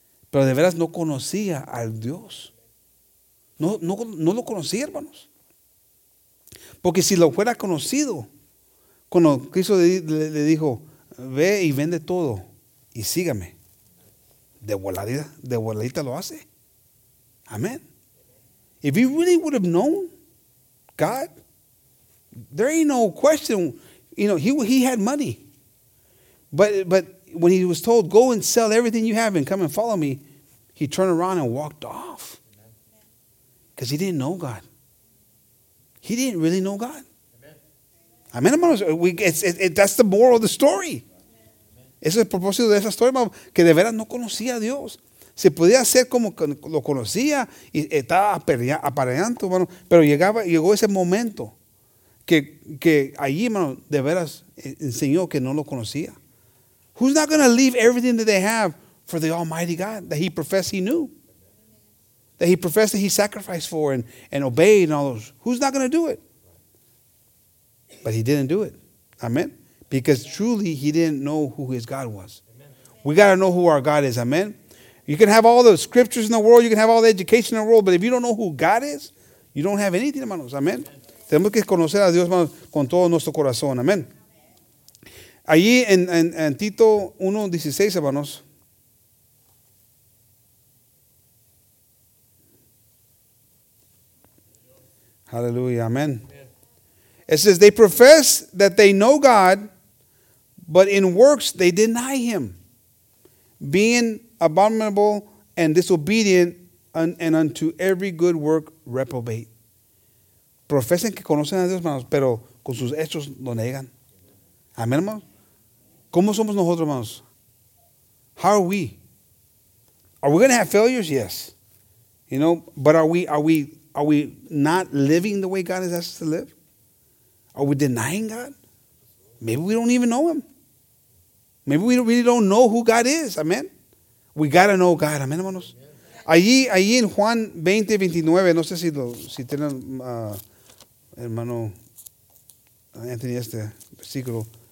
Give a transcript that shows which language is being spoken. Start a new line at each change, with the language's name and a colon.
Spanish: Pero de veras no conocía al Dios. No lo conocía, hermanos. Porque si lo fuera conocido, cuando Cristo le dijo, ve y vende todo y sígame. De voladita lo hace. Amen.
English: If he really would have known God, there ain't no question. You know, he had money. But when he was told, go and sell everything you have and come and follow me, he turned around and walked off. Because he didn't know God. He didn't really know God.
Spanish: Amén, hermanos.
English: That's the moral of the story.
Spanish: Ese es el propósito de esa historia, hermano, que de veras no conocía a Dios. Se podía hacer como lo conocía y estaba apareando, hermano. Pero llegó ese momento que allí, hermano, de veras enseñó que no lo conocía.
English: Who's not going to leave everything that they have for the Almighty God that he professed he knew? That he professed that he sacrificed for and obeyed and all those. Who's not going to do it? But he didn't do it. Amen. Because truly, he didn't know who his God was. Amen. We got to know who our God is. Amen. You can have all the scriptures in the world. You can have all the education in the world. But if you don't know who God is, you don't have anything, hermanos. Amen.
Spanish: Tenemos que conocer a Dios, hermanos, con todo nuestro corazón. Amen. Allí en Tito 1:16, hermanos.
English: Hallelujah. Amen. It says, they profess that they know God, but in works they deny him, being abominable and disobedient and unto every good work reprobate.
Spanish: Profesan que conocen a Dios, hermanos, pero con sus hechos lo niegan. Amén, hermanos. ¿Cómo somos nosotros, hermanos?
English: How are we? Are we going to have failures? Yes. You know, but are we not living the way God has asked us to live? Are we denying God? Maybe we don't even know him. Maybe we really don't know who God is. Amen. We got to know God. Amen, hermanos.
Spanish: Allí en Juan 20:29, no sé si tienen, hermano Anthony, este versículo.